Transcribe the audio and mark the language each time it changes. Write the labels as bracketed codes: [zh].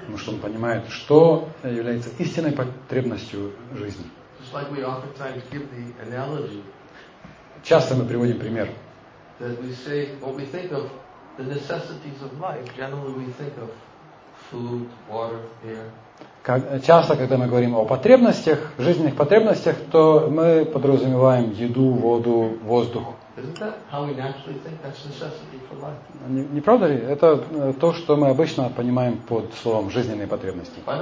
[ru] Потому что он понимает, что является истинной потребностью жизни. [en] Just like we oftentimes give the analogy. [ru] Часто мы приводим пример. [en] That we say, when we think of the necessities of life, generally we think of food, water, air. [ru] Часто, когда мы говорим о потребностях, жизненных потребностях, то мы подразумеваем еду, воду, воздух. Не правда ли? Это то, что мы обычно понимаем под словом «жизненные потребности».